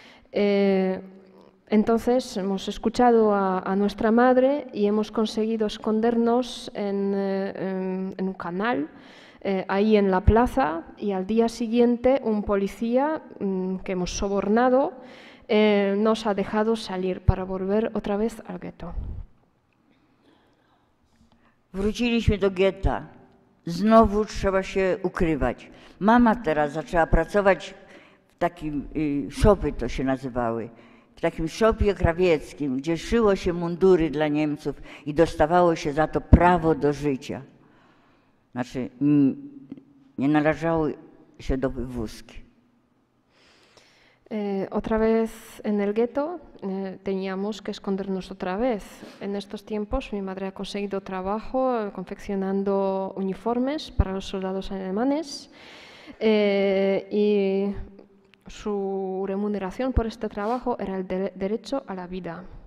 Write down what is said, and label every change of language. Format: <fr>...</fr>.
<es>Entonces hemos escuchado a nuestra madre y hemos conseguido escondernos en un canal, ahí en la plaza, y al día siguiente un policía que hemos sobornado nos ha dejado salir para volver otra vez al gueto.</es> <pl>Wróciliśmy do getta. Znowu trzeba się ukrywać. Mama teraz zaczęła pracować w takim, szopy to się nazywały, w takim szopie krawieckim, gdzie szyło się mundury dla Niemców i dostawało się za to prawo do życia. Znaczy, nie należało się do wywózki.</pl> <es>Otra vez en el gueto teníamos que escondernos otra vez. En estos tiempos mi madre ha conseguido trabajo confeccionando uniformes para los soldados alemanes y su remuneración por este trabajo era el derecho a la vida.</es>